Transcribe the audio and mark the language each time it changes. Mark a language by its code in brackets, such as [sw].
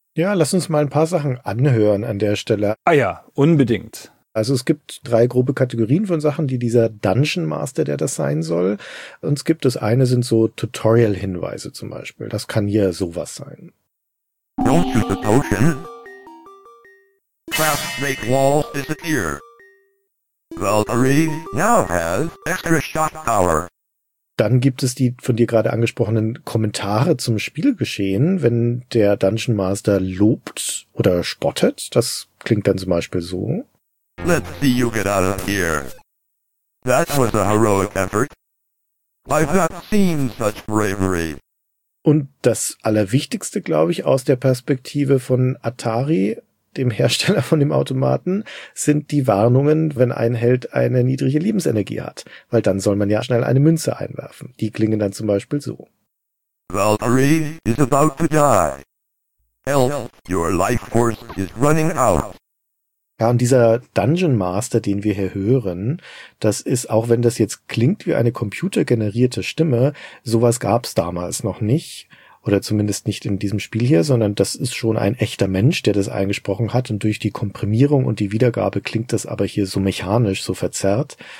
[de] Ja, lass uns mal ein paar Sachen anhören an der Stelle. Ah ja, unbedingt. Also es gibt 3 grobe Kategorien von Sachen, die dieser Dungeon Master, der das sein soll, uns gibt. Das eine sind so Tutorial-Hinweise zum Beispiel. Das kann hier sowas sein. [en] Don't use the potion. Traps make walls disappear. Valkyrie now has extra shot power. [de] Dann gibt es die von dir gerade angesprochenen Kommentare zum Spielgeschehen, wenn der Dungeon Master lobt oder spottet. Das klingt dann zum Beispiel so. [en] Let's see you get out of here. That was a heroic effort. I've not seen such bravery. [de] Und das Allerwichtigste, glaube ich, aus der Perspektive von Atari, dem Hersteller von dem Automaten, sind die Warnungen, wenn ein Held eine niedrige Lebensenergie hat. Weil dann soll man ja schnell eine Münze einwerfen. Die klingen dann zum Beispiel so. [en] Valkyrie is about to die. Help, your life force is running out. [de] Ja, und dieser Dungeon Master, den wir hier hören, das ist, auch wenn das jetzt klingt wie eine computergenerierte Stimme, sowas gab's damals noch nicht. Oder zumindest nicht in diesem Spiel hier, sondern das ist schon ein echter Mensch, der das eingesprochen hat. Und durch die Komprimierung und die Wiedergabe klingt das aber hier so mechanisch, so verzerrt.